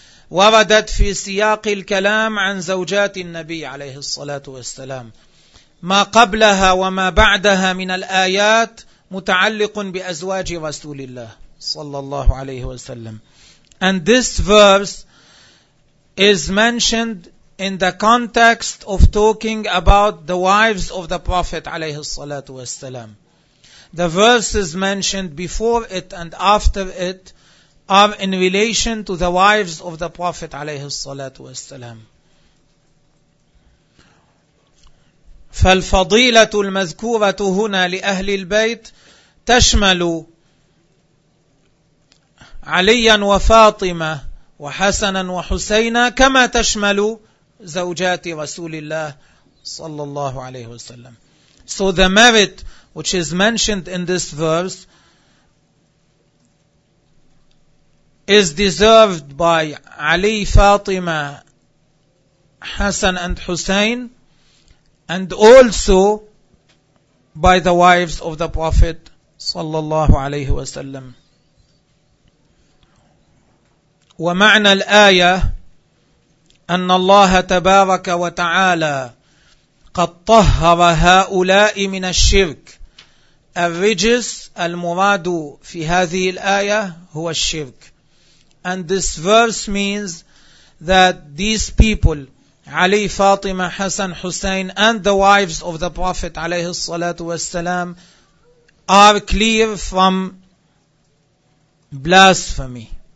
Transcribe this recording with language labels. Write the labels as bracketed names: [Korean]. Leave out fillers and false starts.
[Arabic] وردت في سياق الكلام عن زوجات النبي عليه الصلاة والسلام. ما قبلها وما بعدها من الآيات متعلق بأزواج رسول الله صلى الله عليه وسلم. [English] And this verse is mentioned in the context of talking about the wives of the Prophet عليه الصلاة والسلام. The verses mentioned before it and after it are in relation to the wives of the Prophet عليه الصلاة والسلام. [Arabic] فالفضيلة المذكورة هنا لأهل البيت تشمل عليا وفاطمة وحسنا وحسينا كما تشمل زوجات رسول الله صلى الله عليه وسلم. [English] So the merit which is mentioned in this verse is deserved by Ali, Fatima, Hassan and Hussein, and also by the wives of the Prophet sallallahu alayhi wa sallam. [Arabic] ومعنى الآية أن الله تبارك وتعالى قد طهر هؤلاء من الشرك. الرجس المراد في هذه الآية هو الشرك. [English] And this verse means that these people, Ali, Fatima, Hassan, Hussein, and the wives of the Prophet عليه الصلاة والسلام, are clear from blasphemy.